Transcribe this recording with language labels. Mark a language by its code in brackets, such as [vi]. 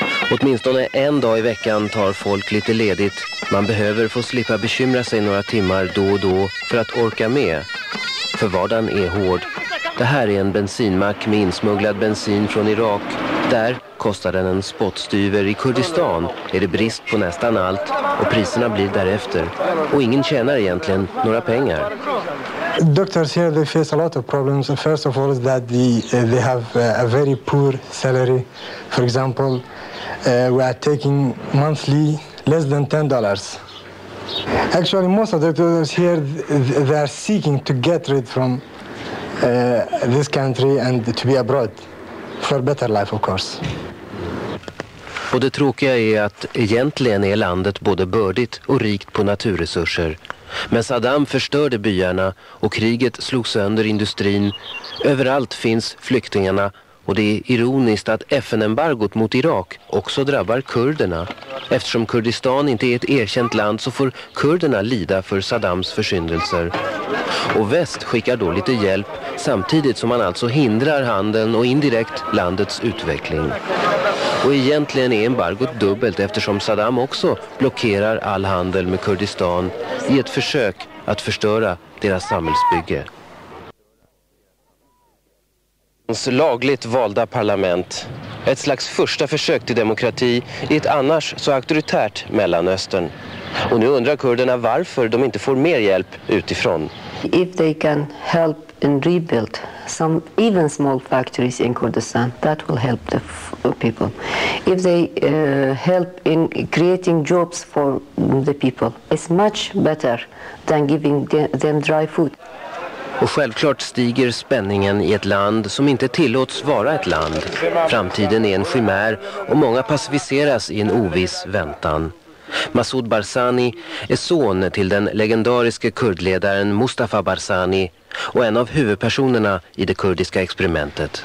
[sv] Åtminstone en dag i veckan tar folk lite ledigt. Man behöver få slippa bekymra sig några timmar då och då för att orka med. För vardagen är hård. Det här är en bensinmack med insmugglad bensin från Irak. Där kostar den en spottstyver. I Kurdistan är det brist på nästan allt och priserna blir därefter. Och ingen tjänar egentligen några pengar. [en] Doctors here they face a lot of problems. First of all is that they have a very poor salary. For example, we are taking monthly less than $10. Actually, most of the doctors here they are seeking to get rid from this country and to be abroad for a better life, of course. [sv] Och det tråkiga är att egentligen är landet både bördigt och rikt på naturresurser. Men Saddam förstörde byarna och kriget slog sönder industrin. Överallt finns flyktingarna och det är ironiskt att FN-embargot mot Irak också drabbar kurderna. Eftersom Kurdistan inte är ett erkänt land så får kurderna lida för Saddams försyndelser. Och väst skickar då lite hjälp samtidigt som man alltså hindrar handeln och indirekt landets utveckling. Och egentligen är embargot dubbelt eftersom Saddam också blockerar all handel med Kurdistan i ett försök att förstöra deras samhällsbygge. Hans lagligt valda parlament. Ett slags första försök till demokrati i ett annars så auktoritärt Mellanöstern. Och nu undrar kurderna varför de inte får mer hjälp utifrån. [en] If they can help in rebuild some even small factories in Kurdistan, that will help the people. If they help in creating jobs for the people, it's much better than giving them dry food. [sv] Och självklart stiger spänningen i ett land som inte tillåts vara ett land. Framtiden är en chimär och många passiviseras i en oviss väntan. Masoud Barzani är son till den legendariske kurdledaren Mustafa Barzani och en av huvudpersonerna i det kurdiska experimentet.